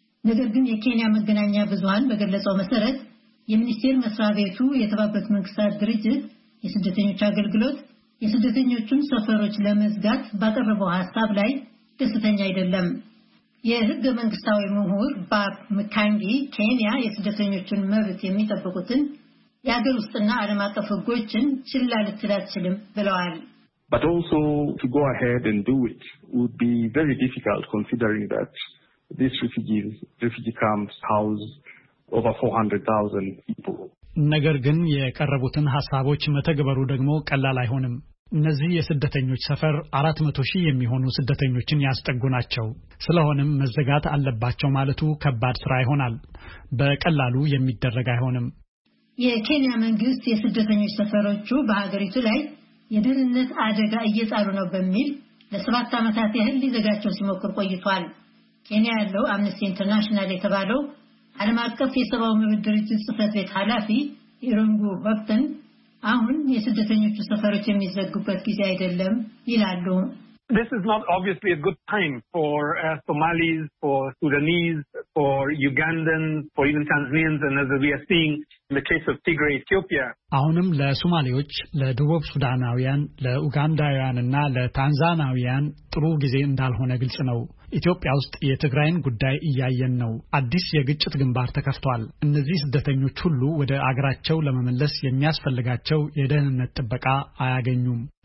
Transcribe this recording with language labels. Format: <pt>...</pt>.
<am>ነገር ግን የኬንያ መገናኛ ብዙሃን በገለጸው መሰረት የሚኒስቴር መስሪያ ቤቱ የተባበሩት መንግስታት ድርጅት የስደተኞች አገልግሎት የስደተኞችን ሰፈሮች ለመዝጋት ባቀረበው ሐሳብ ላይ ደስተኛ አይደለም። የህገ መንግስታዊ ምሁር ባብ ምካንጊ ኬንያ የስደተኞችን መብት የሚጠብቁትን የሀገር ውስጥና ዓለም አቀፍ ህጎችን ችላ ልትል አትችልም ብለዋል።</am> <en>But also to go ahead and do it would be very difficult considering that these refugee camps house over 400,000 people.</en> <am>ነገር ግን የቀረቡትን ሐሳቦች መተግበሩ ደግሞ ቀላል አይሆንም። እነዚህ የስደተኞች ሰፈር 400,000 የሚሆኑ ስደተኞችን ያስጠጉ ናቸው። ስለሆነም መዘጋት አለባቸው ማለቱ ከባድ ስራ ይሆናል። በቀላሉ የሚደረግ አይሆንም። የኬንያ መንግስት የስደተኞች ሰፈሮቹ በሀገሪቱ ላይ የደህንነት አደጋ እየጣሉ ነው በሚል ለሰባት አመታት ያህል ሊዘጋቸው ሲሞክር ቆይቷል። ኬንያ ያለው አምነስቲ ኢንተርናሽናል የተባለው ዓለም አቀፍ የሰብአዊ መብት ድርጅት ጽህፈት ቤት ኃላፊ ኢሩንጉ ወፍተን አሁን የስደተኞቹ ሰፈሮች የሚዘጉበት ጊዜ አይደለም ይላሉ።</am> <en>This is not obviously a good time for Somalis, for Sudanese, for Ugandans, for even Tanzanians, and as we are seeing in the case of Tigray, Ethiopia.</en> <am>አሁንም ለሶማሌዎች፣ ለደቡብ ሱዳናውያን፣ ለኡጋንዳውያንና ለታንዛኒያውያን ጥሩ ጊዜ እንዳልሆነ ግልጽ ነው። ኢትዮጵያ ውስጥ የትግራይን ጉዳይ እያየን ነው። አዲስ የግጭት ግንባር ተከፍቷል። እነዚህ ስደተኞች ሁሉ ወደ አገራቸው ለመመለስ የሚያስፈልጋቸው የደህንነት ጥበቃ አያገኙም።</am>